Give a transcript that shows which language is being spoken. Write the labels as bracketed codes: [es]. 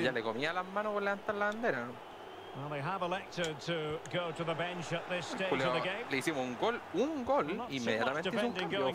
[es] Ya le comía las manos por levantar la bandera. [en] Well, they have elected to go to the bench at this stage of the game. [es] Le hicimos un gol, inmediatamente hizo un cambio.